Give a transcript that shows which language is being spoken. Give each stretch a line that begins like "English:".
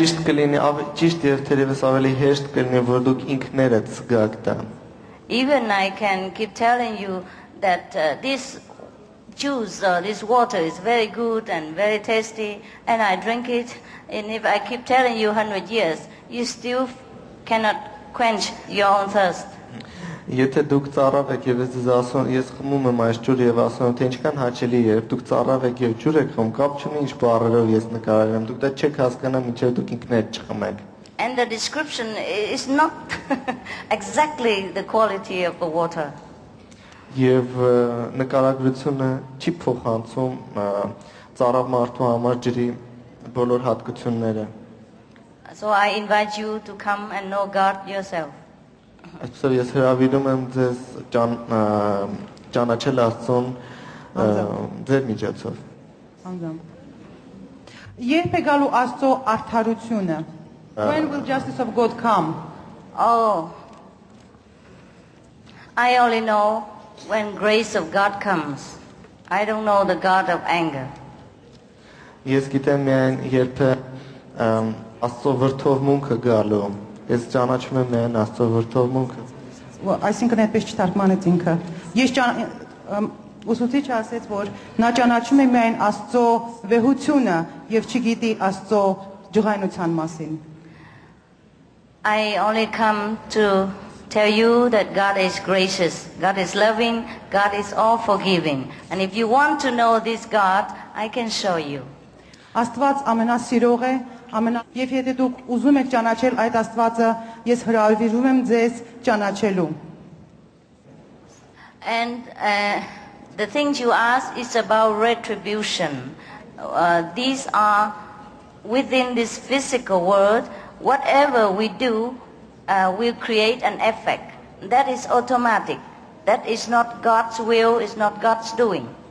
Armenian: Ճիշտ կլինի, ճիշտ եւ թերևս ավելի հեշտ կլինի, որ դուք ինքներդ զգաք դա։
English: Even I can keep telling you that this juice or this water is very good and very tasty and I drink it, and if I keep telling you 100 years, you still cannot quench your own thirst.
Armenian: Եթե դուք ծառավ եք եւ ես ասում ես խմում եմ այս ջուրը եւ ասում եմ թե ինչքան հաճելի է, երբ դուք ծառավ եք եւ ջուր եք խմում, կապ չունի ինչ բառերով ես նկարագրեմ, դուք դա չեք հասկանա մինչեւ դուք ինքներդ չխմեք։
English: And the description is not exactly the quality of the water.
Armenian: Եվ նկարագրությունը չի փոխանցում ծառավ մարդու համար ջրի բոլոր հատկությունները։
English: So I invite you to come and know God yourself.
Armenian: Այսօր ես հրավիրում եմ ձեզ ճանաչել Աստծուն ձեր միջոցով։ Անձամբ։ Երբ է գալու Աստծո արդարությունը?
English: When will justice of God come? Oh. I only know when grace of God comes. I don't know the God of anger.
Armenian: Ես գիտեմ միայն երբ Աստծո վրդովմունքը գալու, ես ճանաչում եմ այն Աստծո վրդովմունքը։ Այսինքն այդպես չթարգմանեց ինքը։ Ես ուսուցիչը ասաց, որ նա ճանաչում է միայն Աստծո վեհությունը եւ չգիտի Աստծո ջղայնության մասին.
English: I only come to tell you that God is gracious, God is loving, God is all forgiving. And if you want to know this God, I can show you.
Armenian: Աստված ամենասիրող է, ամենա եւ եթե դուք ուզում եք ճանաչել այդ Աստվածը, ես հրավիրում եմ ձեզ ճանաչելու.
English: And the things you ask is about retribution. These are within this physical world. Whatever we do will create an effect. That is automatic. That is not God's will, it's not God's doing.